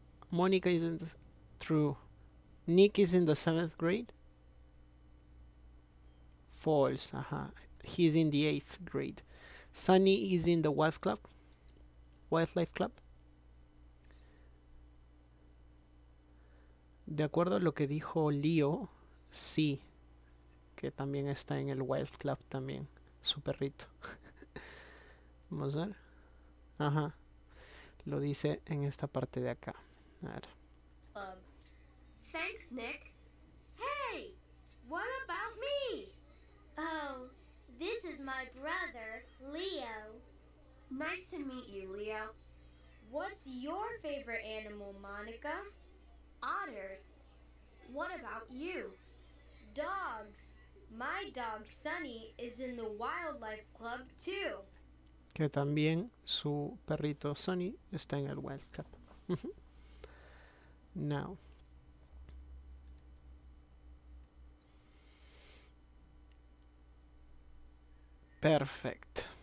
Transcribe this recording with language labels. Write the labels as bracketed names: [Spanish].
[English] Monica is in the true. Nick is in the seventh grade. False. He's in the eighth grade. Sunny is in the wildlife club. [Spanish] De acuerdo a lo que dijo Leo, sí, que también está en el Wild Club también, su perrito. Vamos a ver. Lo dice en esta parte de acá. A ver. [English] Thanks, Nick. Hey, what about me? Oh, this is my brother, Leo. Nice to meet you, Leo. What's your favorite animal, Monica? Otters. What about you? Dogs. My dog, Sunny, is in the wildlife club, too. [Spanish] Que también su perrito Sonny está en el Wild Cup. [English] Now. Perfect.